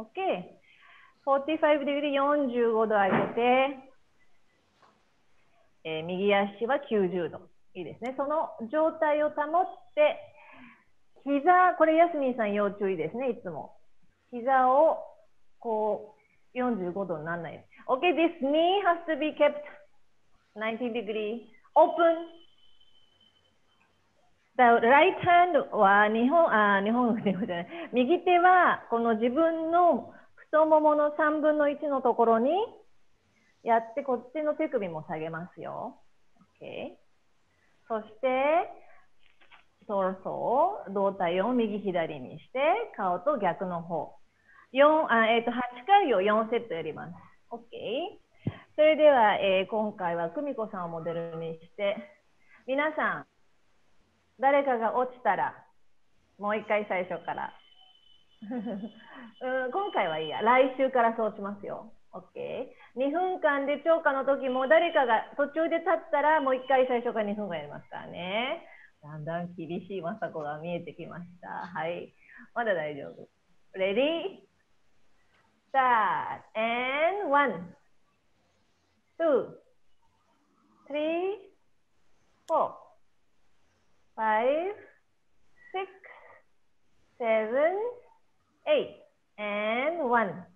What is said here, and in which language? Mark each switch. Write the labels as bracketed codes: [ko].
[ja] OK？ [en] 45 degree、 [ja] 45度上げて、右足は90度。いいですね。その状態を保って、膝、これ、ヤスミンさん要注意ですね、いつも。膝を、こう、45度にならない。 [en] OK, this knee has to be kept 90 degree open. The right hand [ja] は、日本じゃない。右手は、この自分の太ももの3分の1のところに、やって、こっちの手首も下げますよ。 [en] OK。 [ja] そして、トルソー、胴体を右左にして、顔と逆の方。 8回を4セットやります。OK。それでは、今回は久美子さんをモデルにして、皆さん、誰かが落ちたら、もう一回最初から。今回はいいや。来週からそうしますよ。 [en] OK。 [ja] 2分間で超過の時も誰かが途中で立ったらもう一回最初から2分間やりますからね。だんだん厳しい雅子が見えてきました。はい。まだ大丈夫。 [en] Ready? Start. And one, two, three, four, five, six, seven, eight, and one.